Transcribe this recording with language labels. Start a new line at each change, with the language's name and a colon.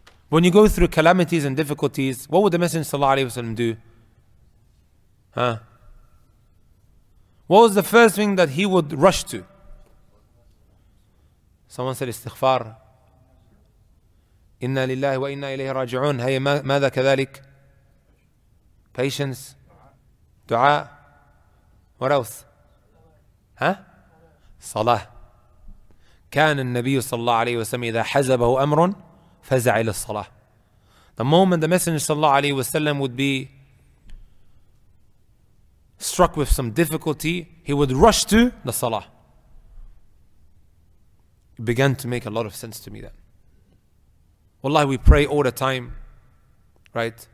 English: When you go through calamities and difficulties, what would the Messenger sallallahu alaihi wasallam do? Huh? What was the first thing that he would rush to? Someone said istighfar. Inna lillahi wa inna ilayhi raji'un. Hey,
Arabic: ماذا كذلك?
English: Patience. Dua. What else? Huh? Salah.
Arabic: كان النبي صلى الله عليه وسلم إذا حزبه أمر فزع إلى الصلاة.
English: The moment the Messenger
Arabic: صلى الله عليه وسلم
English: would be struck with some difficulty, he would rush to the salah. It began to make a lot of sense to me then. Wallahi, we pray all the time, right?